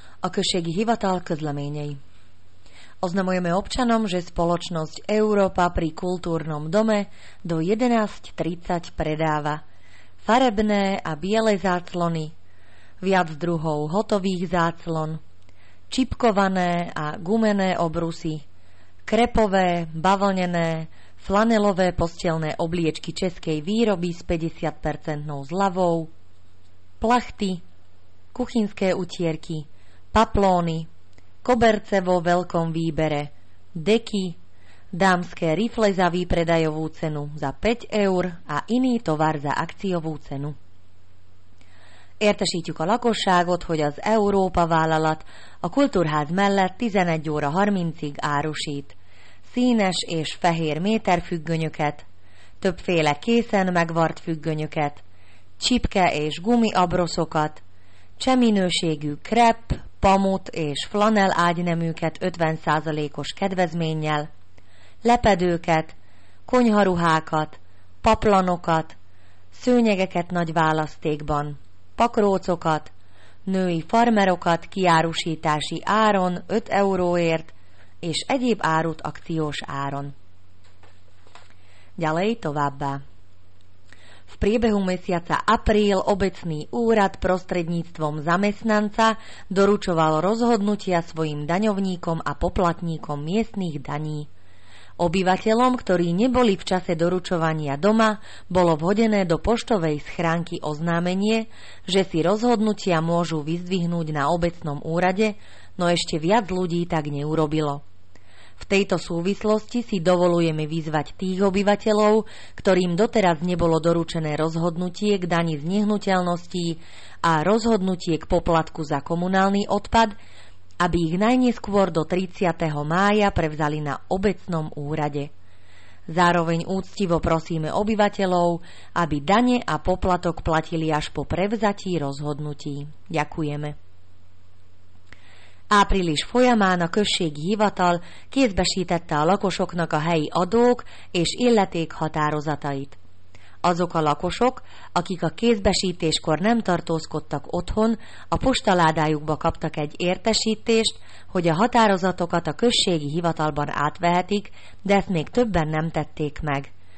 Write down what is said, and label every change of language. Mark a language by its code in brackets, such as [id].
[hu] Okršiek Hivatal, Közleményei. [sk] Oznamujeme občanom, že spoločnosť Európa pri kultúrnom dome do 11.30 predáva farebné a biele záclony, viac druhov hotových záclon, čipkované a gumené obrusy, krepové, bavlnené, flanelové postelné obliečky českej výroby s 50% zľavou, plachty, kuchynské utierky, paplóny, koberce vo veľkom výbere, deky, dámske rifle za výpredajovú cenu za 5 eur a iný tovar za akciovú cenu. [hu] Értesítjük a lakosságot, hogy az Európa vállalat a Kultúrház mellett 11 óra 30-ig árusít színes és fehér méterfüggönyöket, többféle készen megvart függönyöket, csipke és gumi abroszokat, cseh minőségű krep, pamut és flanel ágyneműket 50%-os kedvezménnyel, lepedőket, konyharuhákat, paplanokat, szőnyegeket nagy választékban, pakrócokat, női farmerokat kiárusítási áron 5 euróért és egyéb árut akciós áron. [sk] Ďalej [hu] továbbá. [sk] V priebehu mesiaca apríl obecný úrad prostredníctvom zamestnanca doručoval rozhodnutia svojim daňovníkom a poplatníkom miestnych daní. Obyvateľom, ktorí neboli v čase doručovania doma, bolo vhodené do poštovej schránky oznámenie, že si rozhodnutia môžu vyzdvihnúť na obecnom úrade, no ešte viac ľudí tak neurobilo. V tejto súvislosti si dovolujeme vyzvať tých obyvateľov, ktorým doteraz nebolo doručené rozhodnutie k dani z nehnuteľností a rozhodnutie k poplatku za komunálny odpad, aby ich najneskôr do 30. mája prevzali na obecnom úrade. Zároveň úctivo prosíme obyvateľov, aby dane a poplatok platili až po prevzatí rozhodnutí. Ďakujeme. [hu] Április folyamán a községi hivatal kézbesítette a lakosoknak a helyi adók és illeték határozatait. Azok a lakosok, akik a kézbesítéskor nem tartózkodtak otthon, a postaládájukba kaptak egy értesítést, hogy a határozatokat a községi hivatalban átvehetik, de ezt még többen nem tették meg.